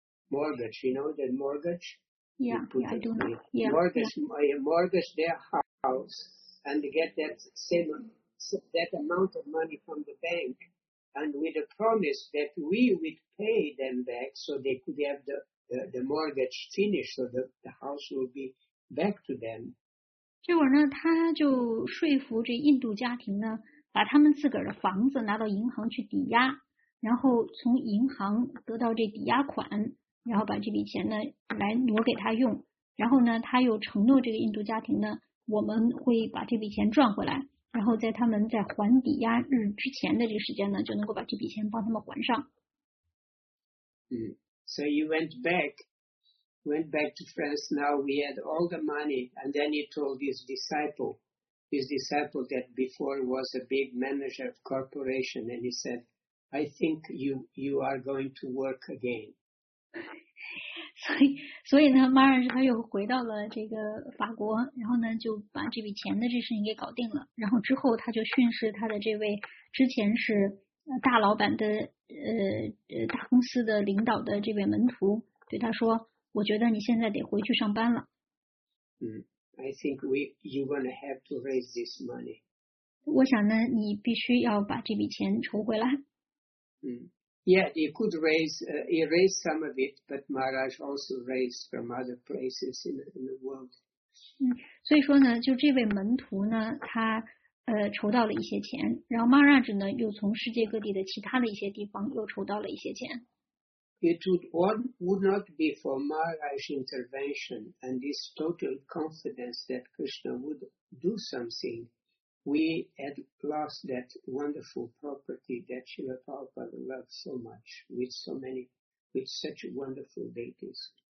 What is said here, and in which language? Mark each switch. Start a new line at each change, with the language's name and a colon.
English: Mortgage, you know that mortgage? Mortgage their house and get that same money. That amount of money from the bank, and with a promise that we would pay them back, so they could have the mortgage finished, so the house will be back to them.
Chinese: 结果呢，他就说服这印度家庭呢，把他们自个儿的房子拿到银行去抵押，然后从银行得到这抵押款，然后把这笔钱呢来挪给他用，然后呢，他又承诺这个印度家庭呢，我们会把这笔钱赚回来。然后在他们在还抵押日之前的这个时间呢，就能够把这笔钱帮他们还上。
English: So he went back to France. Now we had all the money, and then he told his disciple that before was a big manager of corporation, and he said, "I think you are going to work again."
Chinese: 所以呢，马尔他又回到了这个法国，然后呢就把这笔钱的这事情给搞定了。然后之后他就训斥他的这位之前是大老板的大公司的领导的这位门徒，对他说：“我觉得你现在得回去上班了。”
English: I think you're gonna have to raise this money.
Chinese: 我想呢，你必须要把这笔钱筹回来。
English: Yeah, he could raise some of it, but Maharaj also raised from other places in the world.
Chinese: 所以说呢，就这位门徒呢，他筹到了一些钱，然后 Maharaj 呢又从世界各地的其他的一些地方又筹到了一些钱。
English: It would not be for Maharaj's intervention and this total confidence that Krishna would do something, we had lost that wonderful property that Srila Prabhupada loved so much with such wonderful deities.